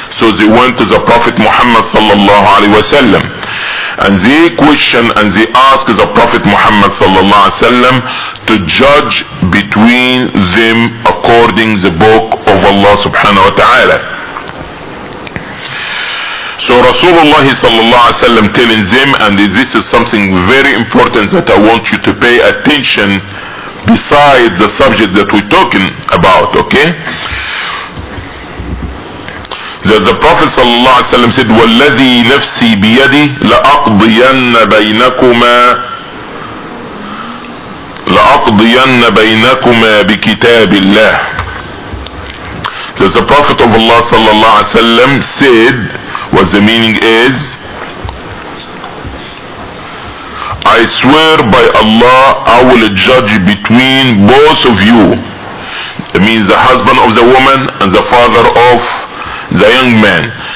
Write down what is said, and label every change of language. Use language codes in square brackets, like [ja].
[en] So they went to the Prophet Muhammad sallallahu alaihi wasallam, and they question and they ask the Prophet Muhammad sallallahu alaihi wasallam to judge between them according the book of Allah subhanahu wa ta'ala. So Rasulullah sallallahu alaihi wasallam telling them, and this is something very important that I want you to pay attention besides the subject that we're talking about, okay? That the Prophet sallallahu alaihi wasallam said, [ar] وَالَّذِي نَفْسِي بِيَدِي لَأَقْضِيَنَّ بَيْنَكُمَا لَأَقْضِيَنَّ بَيْنَكُمَا بِكِتَابِ اللَّهِ. [en] So the Prophet of Allah sallallahu alaihi wasallam said, what the meaning is, I swear by Allah, I will judge between both of you. It means the husband of the woman and the father of the young man.